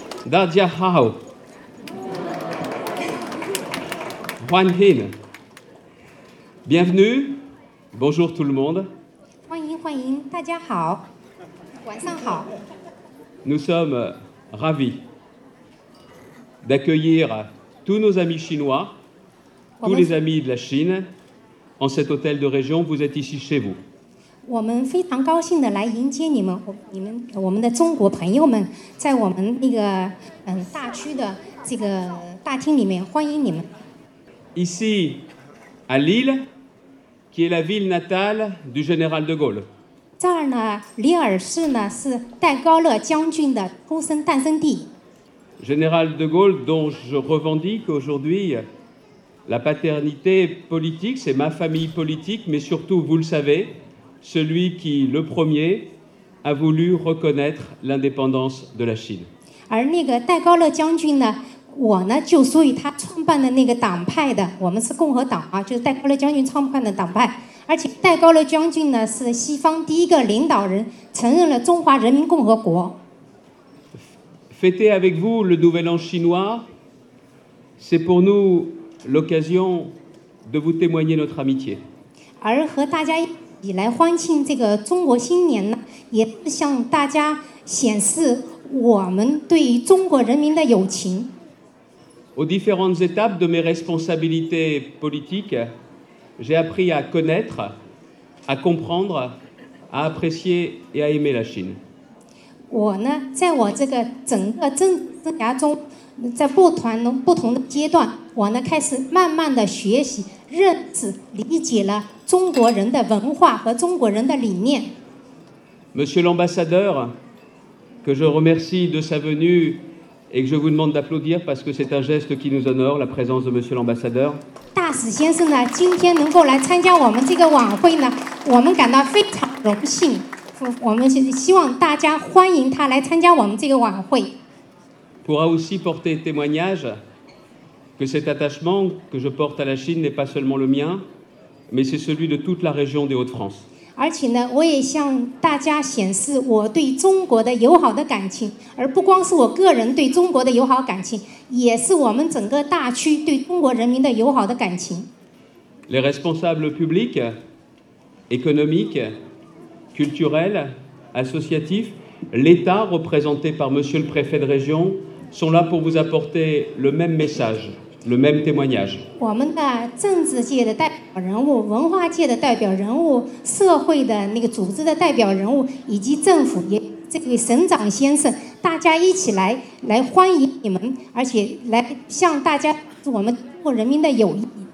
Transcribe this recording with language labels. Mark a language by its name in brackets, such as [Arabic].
[Chinese] 大家好，欢迎 [French] ，Bienvenue， Bonjour tout le monde， [Chinese] 欢迎，大家好，晚上好。 [French] Nous sommes ravis d'accueillir tous nos amis chinois, tous les amis de la Chine, en cet hôtel de région. Vous êtes ici chez vous。 [Chinese] 我们非常高兴的来迎接你们，我们的中国朋友们，在我们那个大区的这个大厅里面欢迎你们。 [French] Ici à Lille, qui est la ville natale du général de Gaulle。 [Chinese] 这儿呢，里尔市呢是戴高乐将军的出生诞生地。 [French] Général de Gaulle, dont je revendique aujourd'hui la paternité politique, c'est ma famille politique, mais surtout, vous le savez. Celui qui, le premier, a voulu reconnaître l'indépendance de la Chine. [Chinese] 而那个戴高乐将军呢，我呢就属于他创办的那个党派的，我们是共和党啊，就是戴高乐将军创办的党派。而且戴高乐将军呢是西方第一个领导人承认了中华人民共和国。 [French] Fêter avec vous le Nouvel An chinois, c'est pour nous l'occasion de vous témoigner notre amitié. [Chinese] 而和大家以来欢庆这个中国新年呢，也是向大家显示我们对于中国人民的友情。 [French] Aux différentes étapes de mes responsabilités politiques, j'ai appris à connaître, à comprendre, à apprécier et à aimer la Chine. [Chinese] 我呢，在我这个整个政治生涯中，在不同的阶段，我呢开始慢慢的学习、认识、理解了。中国人的文化和中国人的理念。 [French] Monsieur l'ambassadeur, que je remercie de sa venue et que je vous demande d'applaudir parce que c'est un geste qui nous honore, la présence de Monsieur l'ambassadeur. [Chinese] 大使先生呢，今天能够来参加我们这个晚会呢，我们感到非常荣幸。我们希望大家欢迎他来参加我们这个晚会。 [French] Pourra aussi porter témoignage que cet attachement que je porte à la Chine n'est pas seulement le mien. Mais c'est celui de toute la région des Hauts-de-France. [Chinese] 而且呢，我也向大家显示我对中国的友好的感情，而不光是我个人对中国的友好感情，也是我们整个大区对中国人民的友好的感情。 [French] Les responsables publics, économiques, culturels, associatifs, l'État représenté par Monsieur le Préfet de région sont là pour vous apporter le même message. Le même témoignage. [Chinese] 我们的政治界的代表人物、文化界的代表人物、社会的那个组织的代表人物，以及政府也这位省长先生，大家一起来欢迎你们，而且来向大家我们中国人民的友谊。